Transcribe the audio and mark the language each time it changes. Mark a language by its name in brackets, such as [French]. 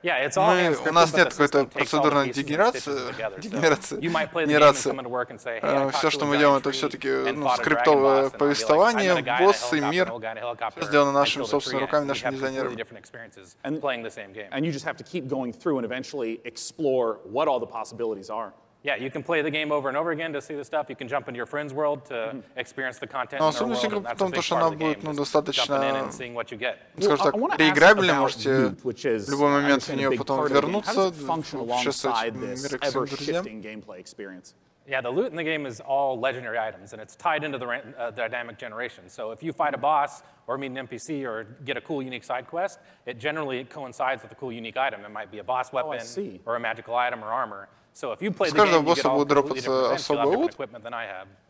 [English] Yeah, it's all hand-scripted, but the system takes all the pieces and stitches together. So you might play the game and come into work and say, hey, I talked to a giant tree and fought a dragon boss, and I'd be like, I'm the guy in a helicopter, I killed a tree, and we have completely different experiences playing the same game. And you just have to keep going through and eventually explore what all the possibilities are. Yeah, you can play the game over and over again to see the stuff. You can jump into your friend's world to experience the content in their world, and that's a big part of the game, just jumping in and seeing what you get. [Russian] Реиграбельно, можете в любой момент в нее потом вернуться, путешествовать в мир к своим друзьям. [English] Yeah, the loot in the game is all legendary items, and it's tied into the dynamic generation. So if you fight a boss, or meet an NPC, or get a cool, unique side quest, it generally coincides with a cool, unique item. It might be a boss weapon, or a magical item, or armor. So if you play the game, you get all different equipment than I have.